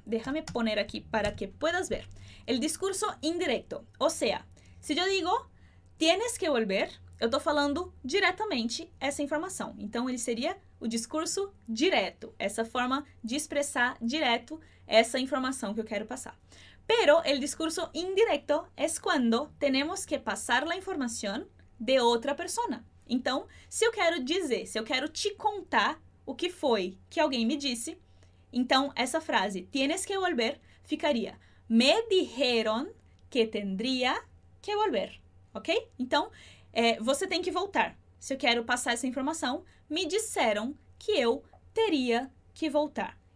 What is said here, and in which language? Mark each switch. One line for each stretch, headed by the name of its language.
Spanish: Déjame poner aqui para que puedas ver. El discurso indirecto.
Portuguese: Ou seja, se eu digo
Spanish: tienes que volver,
Portuguese: eu tô falando diretamente essa informação. Então, ele seria o discurso direto, essa forma de expressar direto essa informação que eu quero passar.
Spanish: Pero el discurso indirecto es cuando tenemos que pasar la información de otra persona.
Portuguese: Então, se eu quero dizer, se eu quero te contar o que foi que alguém me disse, então essa frase
Spanish: tienes que volver
Portuguese: ficaria
Spanish: me dijeron que tendría que volver.
Portuguese: Ok? Então, você tem que voltar. Se eu quero passar essa informação, me disseram que eu teria que voltar.